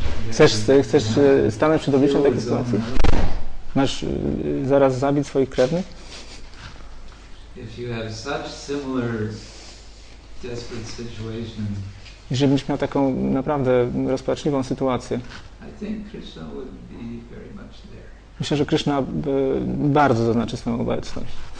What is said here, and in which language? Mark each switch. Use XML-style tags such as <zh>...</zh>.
<pl>Chcesz stanąć przed obliczem takiej sytuacji? Masz zaraz zabić swoich krewnych?</pl> <en>If you have such similar desperate situation,</en> <pl>jeżeli byś miał taką naprawdę rozpaczliwą sytuację,</pl> <en>I think Krishna would be very much there.</en> <pl>Myślę, że Krishna bardzo zaznaczy swoją obecność.</pl>